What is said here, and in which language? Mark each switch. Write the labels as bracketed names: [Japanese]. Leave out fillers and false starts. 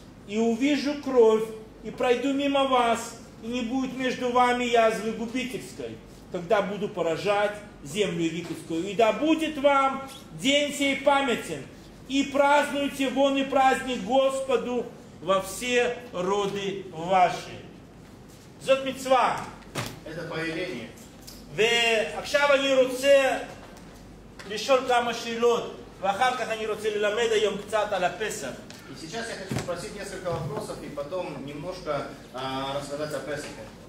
[Russian] И увижу кровь, и пройду мимо вас, и не будет между вами язвы губительской, когда буду поражать землю египетскую. И да будет вам день сей памятен. и празднуйте вон и праздник Господу во все роды ваши. [Hebrew] Зот мицва. [Russian] Это повеление. [Hebrew] ועכשיו אני רוצה לשאול כמה שאלות, ואחר כך אני רוצה ללמד היום קצת על הפסח. [Russian] И сейчас я хочу спросить несколько вопросов и потом немножко рассказать о Песахе.